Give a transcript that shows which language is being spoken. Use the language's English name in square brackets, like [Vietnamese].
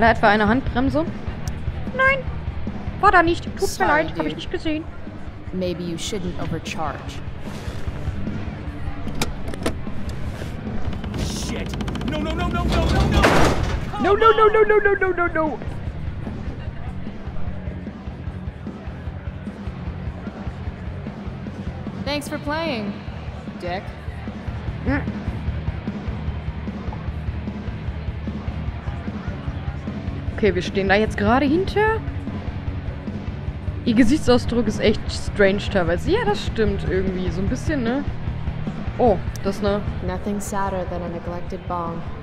[German] da etwa eine Handbremse? Nein, war da nicht. Tut mir leid, habe ich nicht gesehen. [English] Maybe you shouldn't overcharge. Shit! No, no, no, no, no, no, no! No, no, no, no, no, no, no, no, no! Thanks for playing, Dick. [German] Okay, wir stehen da jetzt gerade hinter. Ihr Gesichtsausdruck ist echt strange teilweise. Ja, das stimmt irgendwie. So ein bisschen, ne? Oh, das ist ne. [English] Nothing sadder than a neglected bong.